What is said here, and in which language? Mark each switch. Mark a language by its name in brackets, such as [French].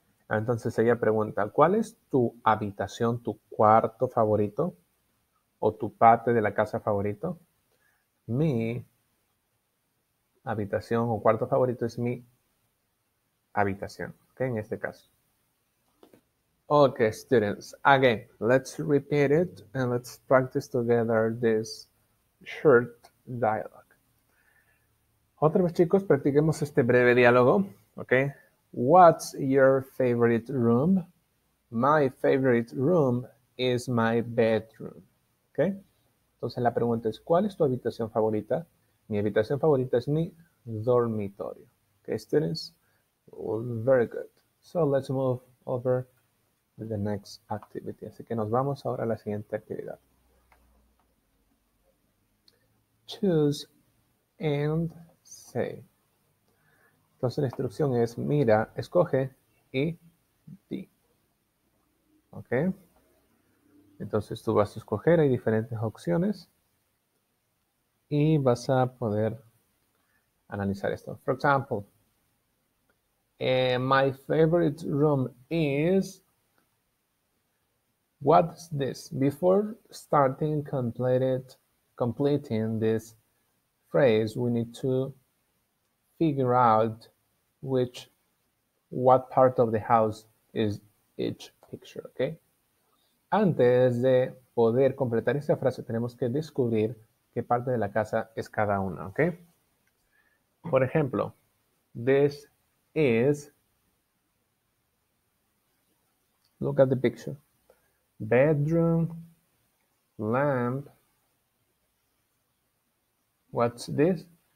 [Spanish] Entonces ella pregunta, ¿cuál es tu habitación, tu cuarto favorito? ¿O tu parte de la casa favorito? Mi habitación o cuarto favorito es mi habitación. Okay, en este caso. [English] Okay, students. Again, let's repeat it and let's practice together this short dialogue. [Spanish] Otra vez, chicos, practiquemos este breve diálogo. Okay. [English] What's your favorite room? My favorite room is my bedroom. Okay. [Spanish] Entonces la pregunta es, ¿cuál es tu habitación favorita? Mi habitación favorita es mi dormitorio. [English] Okay, students, very good. So let's move over to the next activity. [Spanish] Así que nos vamos ahora a la siguiente actividad. [English] Choose and say. [Spanish] Entonces la instrucción es, mira, escoge y di. Ok. Entonces tú vas a escoger, hay diferentes opciones y vas a poder analizar esto. [English] For example, my favorite room is, what's this? Before starting completing this phrase, we need to figure out which, what part of the house is each picture, okay? [Spanish] Antes de poder completar esta frase, tenemos que descubrir qué parte de la casa es cada una, ¿ok? Por ejemplo, [English] this is, look at the picture, bedroom, lamp, what's this?